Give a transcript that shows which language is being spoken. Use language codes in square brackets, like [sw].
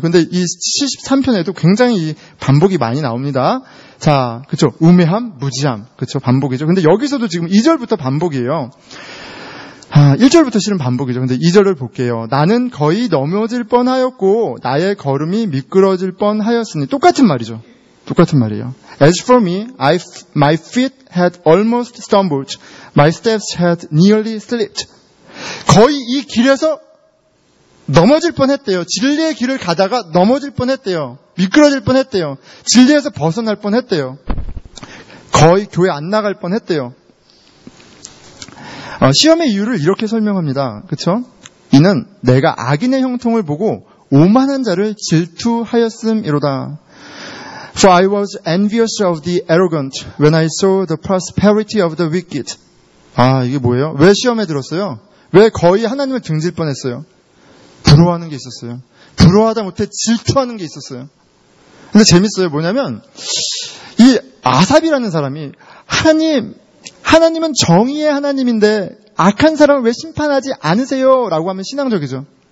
[ko] 근데 이 73편에도 굉장히 이 반복이 많이 나옵니다. 자, 그쵸. 우매함, 무지함. 그쵸. 반복이죠. 근데 여기서도 지금 2절부터 반복이에요. 아, 1절부터 실은 반복이죠. 근데 2절을 볼게요. 나는 거의 넘어질 뻔하였고 나의 걸음이 미끄러질 뻔하였으니 똑같은 말이죠. 똑같은 말이에요. [en] As for me, my feet had almost stumbled. My steps had nearly slipped. [ko] 거의 이 길에서 넘어질 뻔했대요. 진리의 길을 가다가 넘어질 뻔했대요. 미끄러질 뻔했대요. 진리에서 벗어날 뻔했대요. 거의 교회 안 나갈 뻔했대요. 시험의 이유를 이렇게 설명합니다. 그렇죠? 이는 내가 악인의 형통을 보고 오만한 자를 질투하였음이로다. [en] For I was envious of the arrogant when I saw the prosperity of the wicked. [ko] 아, 이게 뭐예요? 왜 시험에 들었어요? 왜 거의 하나님을 등질 뻔했어요? 부러워하는 게 있었어요. 부러워하다 못해 질투하는 게 있었어요. 근데 재밌어요. 뭐냐면 이 아삽이라는 사람이 하나님은 정의의 하나님인데 악한 사람을 왜 심판하지 않으세요? 라고 하면 신앙적이죠.